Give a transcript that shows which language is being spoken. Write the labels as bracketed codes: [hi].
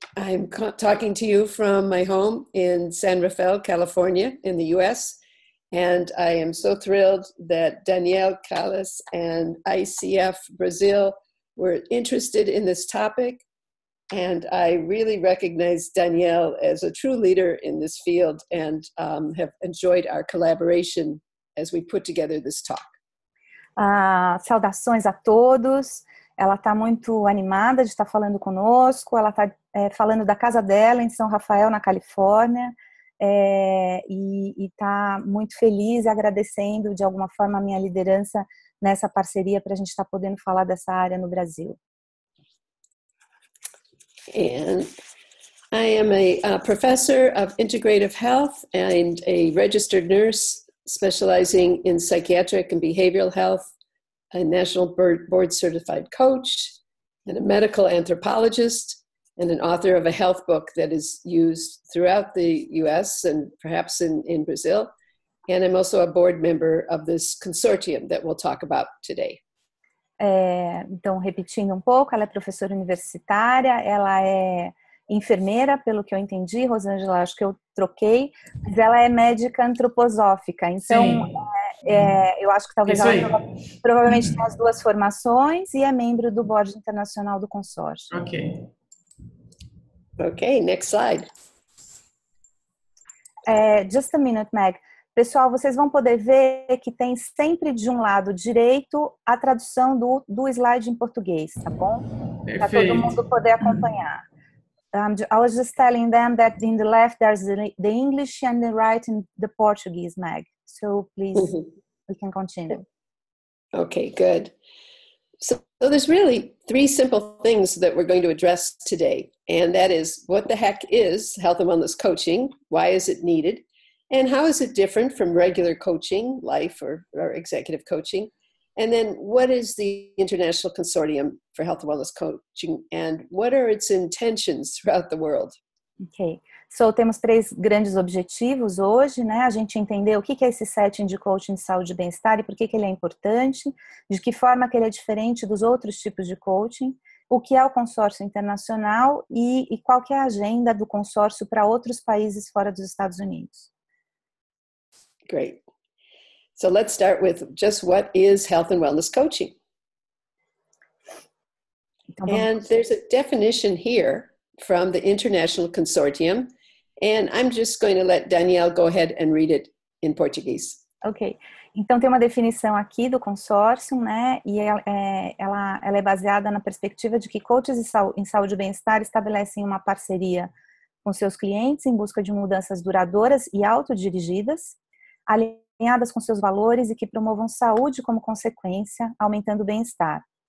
[en] I'm talking to you from my home in San Rafael, California, in the U.S., and I am so thrilled that Danielle Callas and ICF Brazil were interested in this topic, and I really recognize Danielle as a true leader in this field and have enjoyed our collaboration as we put together this talk. [pt] Saudações a todos. Ela está muito animada de estar falando conosco. Ela está falando da casa dela em São Rafael, na Califórnia. E está muito feliz e agradecendo, de alguma forma, a minha liderança nessa parceria para a gente estar podendo falar dessa área no Brasil. [en] And I am a professor of integrative health and a registered nurse specializing in psychiatric and behavioral health, a national board certified coach, and a medical anthropologist, and an author of a health book that is used throughout the US and perhaps in Brazil. And I'm also a board member of this consortium that we'll talk about today. [pt] Então, repetindo pouco, ela é professora universitária, ela é enfermeira, pelo que eu entendi, Rosângela, acho que eu troquei, mas ela é médica antroposófica. Então, eu acho que talvez isso ela provavelmente tenha as duas formações e é membro do board internacional do consórcio. [en] Ok. Okay, next slide. Just a minute, Meg. [pt] Pessoal, vocês vão poder ver que tem sempre de um lado direito a tradução do slide em português, tá bom? Perfeito. Para todo mundo poder acompanhar. [en] I was just telling them that in the left there's the English and the right in the Portuguese, Meg. So please, we can continue. Okay, good. So there's really three simple things that we're going to address today. And that is, what the heck is health and wellness coaching? Why is it needed? And how is it different from regular coaching, life or executive coaching? And then what is the International Consortium for Health and Wellness Coaching? And what are its intentions throughout the world? Okay, so [pt] temos três grandes objetivos hoje, né? A gente entender o que é esse setting de coaching de saúde e bem-estar e por que ele é importante, de que forma que ele é diferente dos outros tipos de coaching, o que é o consórcio internacional e qual que é a agenda do consórcio para outros países fora dos Estados Unidos. [en] Great. So let's start with just what is health and wellness coaching? [pt] Então, vamos... [en] And there's a definition here from the International Consortium, and I'm just going to let Danielle go ahead and read it in Portuguese. Okay. [pt] Então tem uma definição aqui do consórcio, né? E ela é baseada na perspectiva de que coaches em saúde e bem-estar estabelecem uma parceria com seus clientes em busca de mudanças duradouras e autodirigidas, alinhadas com seus valores e que promovam saúde como consequência, aumentando o bem-estar.